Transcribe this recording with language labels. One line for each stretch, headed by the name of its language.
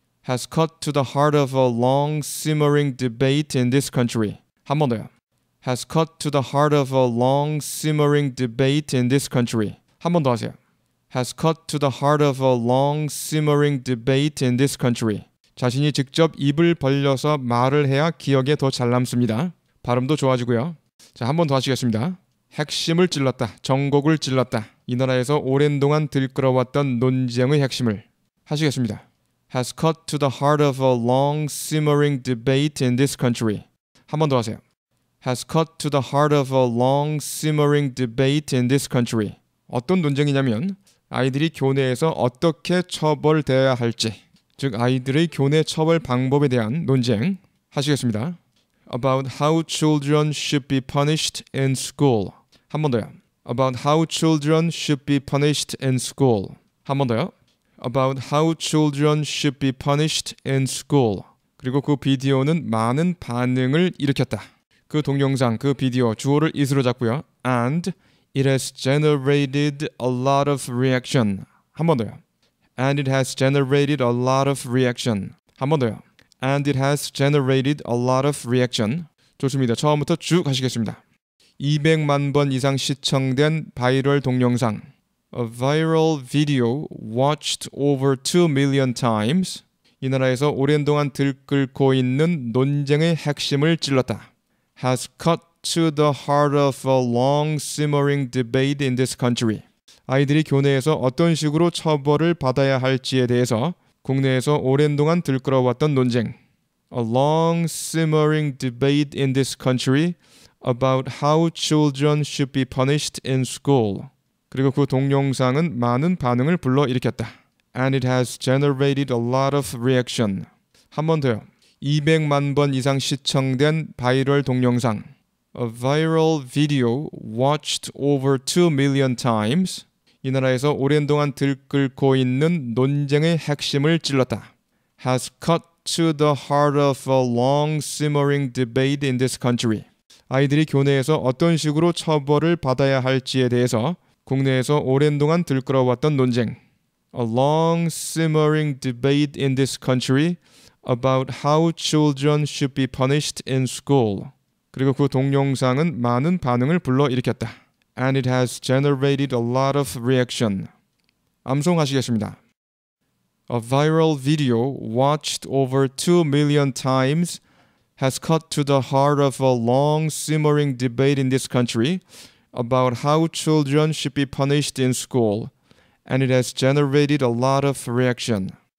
English: Has cut to the heart of a long simmering debate in this country.
Korean: 한 번 더요.
English: Has cut to the heart of a long simmering debate in this country.
Korean: 한 번 더 하세요.
English: Has cut to the heart of a long simmering debate in this country.
Korean: 자신이 직접 입을 벌려서 말을 해야 기억에 더 잘 남습니다. 발음도 좋아지고요. 자, 한 번 더 하시겠습니다. 핵심을 찔렀다. 정곡을 찔렀다. 이 나라에서 오랜 동안 들끓어왔던 논쟁의 핵심을 하시겠습니다.
English: Has cut to the heart of a long simmering debate in this country.
Korean: 한 번 더 하세요.
English: Has cut to the heart of a long simmering debate in this country.
Korean: 어떤 논쟁이냐면 아이들이 교내에서 어떻게 처벌되어야 할지, 즉 아이들의 교내 처벌 방법에 대한 논쟁 하시겠습니다.
English: About how children should be punished in school.
Korean: 한 번 더요.
English: About how children should be punished in school.
Korean: 한 번 더요.
English: About how children should be punished in school.
Korean: 그리고 그 비디오는 많은 반응을 일으켰다. 그 동영상, 그 비디오, 주어를 is로 잡고요.
English: And it has generated a lot of reaction.
Korean: 한 번 더요.
English: And it has generated a lot of reaction.
Korean: 한 번 더요.
English: And it has generated a lot of reaction.
Korean: 좋습니다. 처음부터 쭉 하시겠습니다. 200만 번 이상 시청된 바이럴 동영상.
English: A viral video watched over 2 million times.
Korean: 이 나라에서 오랜 동안 들끓고 있는 논쟁의 핵심을 찔렀다.
English: Has cut to the heart of a long simmering debate in this country.
Korean: 아이들이 교내에서 어떤 식으로 처벌을 받아야 할지에 대해서 국내에서 오랜 동안 들끓어왔던 논쟁.
English: A long simmering debate in this country about how children should be punished in school.
Korean: 그리고 그 동영상은 많은 반응을 불러일으켰다.
English: And it has generated a lot of reaction.
Korean: 한 번 더요. 200만 번 이상 시청된 바이럴 동영상.
English: A viral video watched over 2 million times.
Korean: 이 나라에서 오랜 동안 들끓고 있는 논쟁의 핵심을 찔렀다.
English: Has cut to the heart of a long simmering debate in this country.
Korean: 아이들이 교내에서 어떤 식으로 처벌을 받아야 할지에 대해서 국내에서 오랜 동안 들끓어왔던 논쟁.
English: A long simmering debate in this country about how children should be punished in school.
Korean: 그리고 그 동영상은 많은 반응을 불러일으켰다.
English: And it has generated a lot of reaction.
Korean: 암송하시겠습니다.
English: A viral video watched over 2 million times has cut to the heart of a long simmering debate in this country about how children should be punished in school, and it has generated a lot of reaction.